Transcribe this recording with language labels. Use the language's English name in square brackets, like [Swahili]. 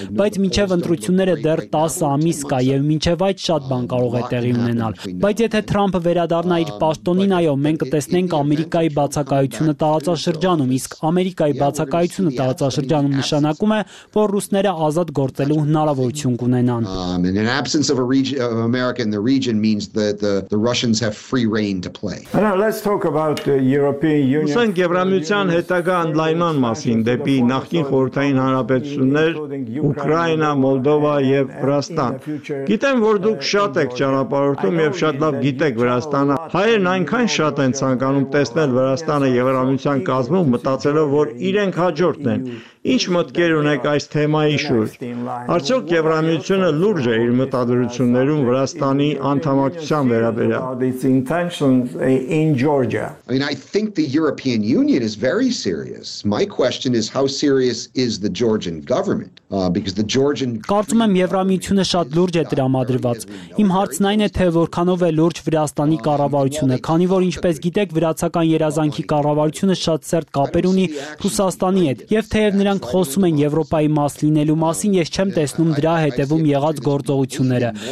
[Armenian] բայց ինչև ընտրությունները դեռ 10 ամիս կա եւ ինչև այդ շատ բան կարող է տեղի ունենալ։ Բայց եթե Թրամփը վերադառնա իր պաշտոնին, այո, մենք կտեսնենք Ամերիկայի բացակայությունը տարածաշրջանում, իսկ Ամերիկայի բացակայությունը տարածաշրջանում նշանակում է, որ ռուսները ազատ գործելու հնարավորություն կունենան։ [English] In the absence of a region of America in the region means that the Russians have free rein to play. Now let's talk about the European Union. [Armenian] Ուսանք եվրամիության հետագա անդլայման մասին դեպի նախկին խորհրդային հանրապետություններ Ուկրաինա, Մոլդովա եւ Վրաստան։ Գիտեմ, որ դուք շատ եք ճանապարհորդում եւ շատ լավ գիտեք Վրաստանը։ Հայերն այնքան շատ են ցանկանում տեսնել Վրաստանը Եվրամիության կազմում, մտածելով, որ իրենք հաջորդն են։ Ինչ մտքեր ունեք այս թեմայի շուրջ։ Արդյոք Եվրամիությունը լուրջ է իր մտադրություններում Վրաստանի անդամակցության վերաբերյալ։ [English] I think the European Union is very serious. My question is how serious is the Georgian government? Because the Georgian [Armenian] Կարծում եմ Եվրամիությունը շատ լուրջ է դրամադրված։ Իմ հարցն այն է, թե որքանով է լուրջ Վրաստանի կառավարությունը, քանի որ ինչպես գիտեք, վրացական երազանքի կառավարությունը շատ սերտ կապեր ունի Ռուսաստանի հետ, եւ թեև նրանք խոսում են Եվրոպայի մաս լինելու մասին, ես չեմ տեսնում դրա հետևում եղած գործողությունները։